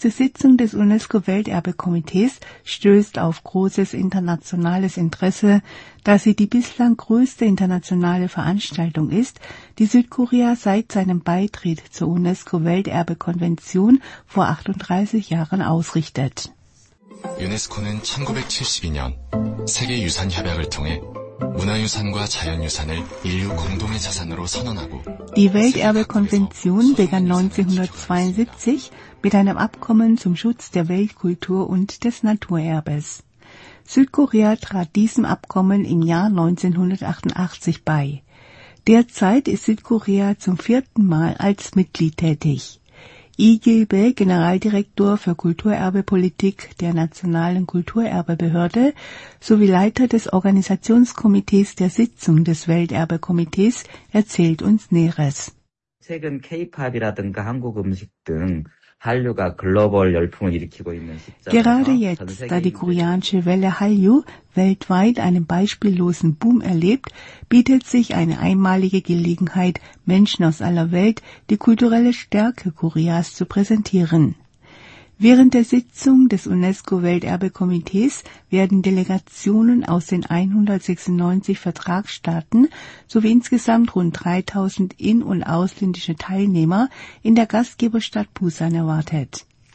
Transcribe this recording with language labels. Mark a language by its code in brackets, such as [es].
[de] Sitzung des UNESCO-Welterbe-Komitees stößt auf großes internationales Interesse, da sie die bislang größte internationale Veranstaltung ist, die Südkorea seit seinem Beitritt zur UNESCO-Welterbe-Konvention vor 38 Jahren ausrichtet. [ko] UNESCO는 1972년 세계유산협약을 통해 문화유산과 자연유산을 인류 공동의 자산으로 선언하고 [de] Die Welterbekonvention begann 1972 mit einem Abkommen zum Schutz der Weltkultur und des Naturerbes. Südkorea trat diesem Abkommen im Jahr 1988 bei. Derzeit ist Südkorea zum vierten Mal als Mitglied tätig. Lee Gil-bae, Generaldirektor für Kulturerbepolitik der Nationalen Kulturerbebehörde sowie Leiter des Organisationskomitees der Sitzung des Welterbekomitees, erzählt uns Näheres. [ko] 최근 K-Pop이라든가 한국 음식 등 한류가 글로벌 열풍을 일으키고 있는 시점. [de] Gerade jetzt, da die koreanische Welle Hallyu weltweit einen beispiellosen Boom erlebt, bietet sich eine einmalige Gelegenheit, Menschen aus aller Welt die kulturelle Stärke Koreas zu präsentieren. Während der Sitzung des UNESCO-Welterbekomitees werden Delegationen aus den 196 Vertragsstaaten sowie insgesamt rund 3000 in- und ausländische Teilnehmer in der Gastgeberstadt Busan erwartet.